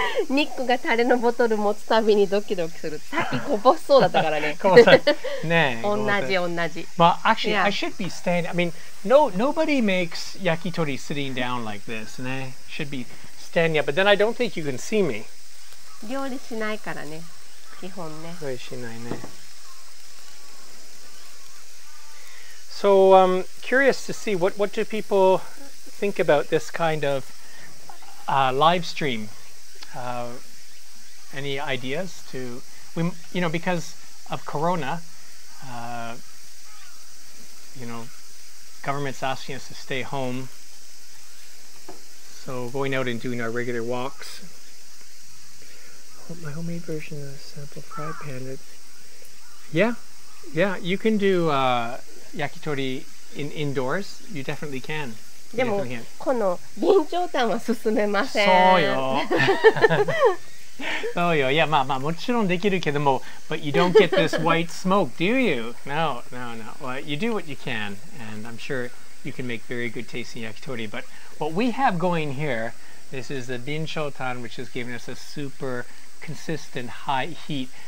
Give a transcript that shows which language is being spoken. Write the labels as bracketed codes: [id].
[ja] ニックがタレのボトル持つたびにドキドキする。さっきこぼしそうだったからね。こぼさ、ねえ。同じ。 [en] Well, actually,、yeah. I should be standing. I mean, nobody makes yakitori sitting down like this, ne? Should be standing up. But then I don't think you can see me. [ja] 料理しないからね、基本ね。料理しないね。 [en] So, curious to see, what do people think about this kind of... live stream. Any ideas to we? You know, because of Corona, you know, government's asking us to stay home. So going out and doing our regular walks. My homemade version of a sample fry pan. Yeah, you can do yakitori indoors. You definitely can. [ja] でもこの備長炭は進めません。そうよ。 [en] Oh, yeah, yeah, ma, [ja] もちろんできるけども, [en] but you don't get this white smoke, do you? No, no, no. Well, you do what you can, and I'm sure you can make very good tasting yakitori. But what we have going here, this is the binshotan, which has given us a super consistent high heat.